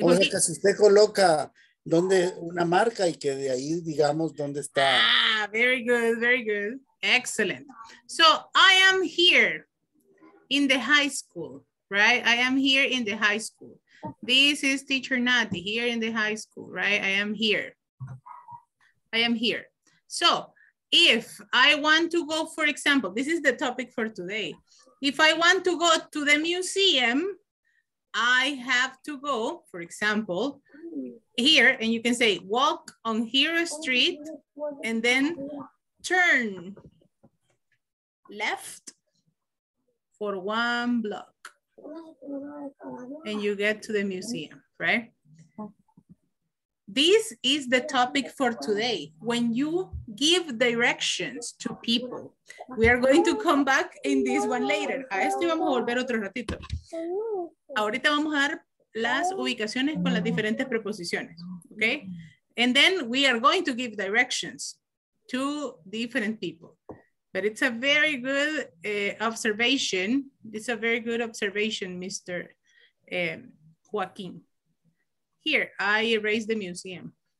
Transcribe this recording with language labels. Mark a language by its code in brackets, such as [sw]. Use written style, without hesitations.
[es] Well, si usted coloca donde una marca y que de ahí digamos donde está. [en] Very good, very good. Excellent. So I am here in the high school, right? I am here in the high school. This is teacher Nati here in the high school, right? I am here. I am here. So if I want to go, for example, this is the topic for today. If I want to go to the museum, I have to go, for example, here, and you can say walk on Hero Street and then turn left for one block and you get to the museum, right? This is the topic for today. When you give directions to people, we are going to come back in this one later. [es] A este vamos a volver otro ratito. Ahorita vamos a dar las ubicaciones con las diferentes preposiciones, okay? [en] And then we are going to give directions to different people. But it's a very good observation. It's a very good observation, Mr. Joaquin. Here, I erase the museum.